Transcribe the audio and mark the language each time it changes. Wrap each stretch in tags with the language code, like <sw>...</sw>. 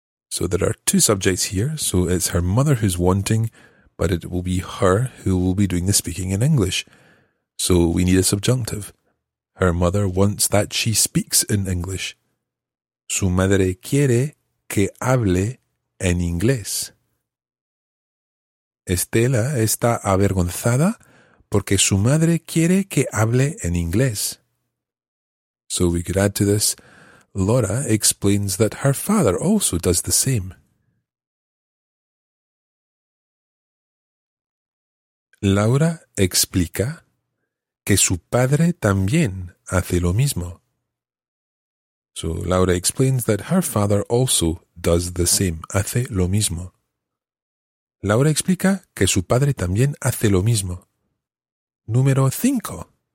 <en>So there are two subjects here. So it's her mother who's wanting, but it will be her who will be doing the speaking in English. So we need a subjunctive. Her mother wants that she speaks in English.</en> <es>Su madre quiere que hable en inglés. Estela está avergonzada porque su madre quiere que hable en inglés.</es> <en>So we could add to this, Laura explains that her father also does the same.</en> <es>Laura explica que su padre también hace lo mismo.</es> <en>So Laura explains that her father also does the same,</en> <es>hace lo mismo. Laura explica que su padre también hace lo mismo. Número 5.</es>